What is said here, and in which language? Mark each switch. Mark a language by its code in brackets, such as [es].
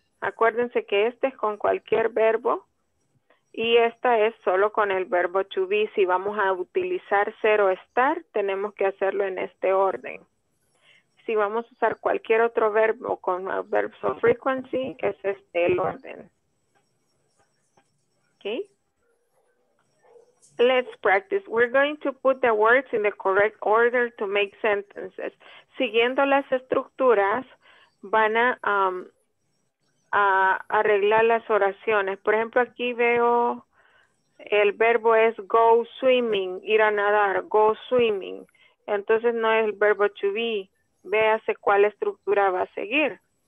[es] Acuérdense que este es con cualquier verbo. Y esta es solo con el verbo to be. Si vamos a utilizar ser o estar, tenemos que hacerlo en este orden. Si vamos a usar cualquier otro verbo con verbs of frequency, es este el orden. [en] Okay. Let's practice. We're going to put the words in the correct order to make sentences. [es] Siguiendo las estructuras, van a arreglar las oraciones. Por ejemplo, aquí veo el verbo es go swimming, ir a nadar, go swimming. Entonces no es el verbo to be. Véase cuál estructura va a seguir.